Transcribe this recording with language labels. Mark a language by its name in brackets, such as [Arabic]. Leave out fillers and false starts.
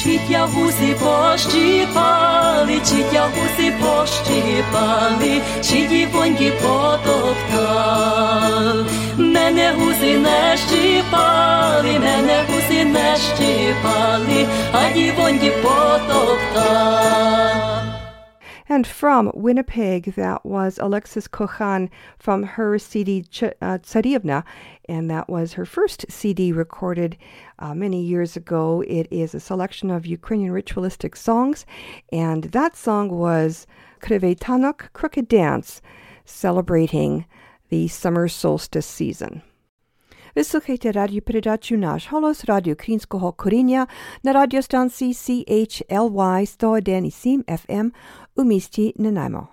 [Ukrainian] Я гуси пощіпали, чи я гуси пощіпали, чи дівоньки потоптал. Мене гуси не щіпали, мене гуси не щіпали, а дівоньки потоптал. [English] And from Winnipeg, that was Alexis Kochan from her CD Tsarivna, and that was her first CD recorded many years ago. It is a selection of Ukrainian ritualistic songs, and that song was Krivoy Tanok, Crooked Dance, celebrating the summer solstice season. [Ukrainian] Ви слухаєте радіопередачу «Наш голос» Радіо Українського коріння на радіостанції CHLY 101.7 FM у місті Нанаймо.